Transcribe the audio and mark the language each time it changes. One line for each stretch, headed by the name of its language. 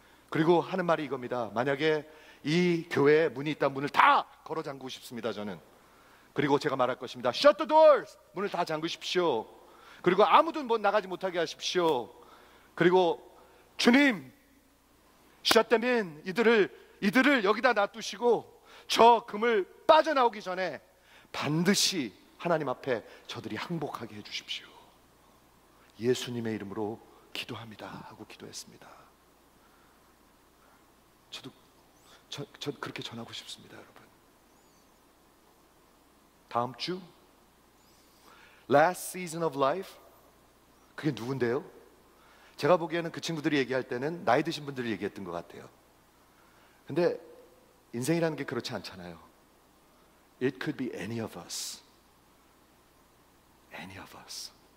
Korean: 그리고 하는 말이 이겁니다. 만약에 이 교회에 문이 있다면 문을 다 걸어 잠그고 싶습니다. 저는. 그리고 제가 말할 것입니다. Shut the doors. 문을 다 잠그십시오. 그리고 아무도 뭐 나가지 못하게 하십시오. 그리고 주님, Shut them in. 이들을 여기다 놔두시고 저 금을 빠져나오기 전에 반드시 하나님 앞에 저들이 항복하게 해주십시오. 예수님의 이름으로 기도합니다 하고 기도했습니다. 저도 저 그렇게 전하고 싶습니다 여러분.
English: 다음 주 Last season of life.
Korean: 그게 누군데요? 제가 보기에는 그 친구들이 얘기할 때는 나이 드신 분들이 얘기했던 것 같아요. 근데 인생이라는 게 그렇지 않잖아요.
English: It could be any of us. Any of us.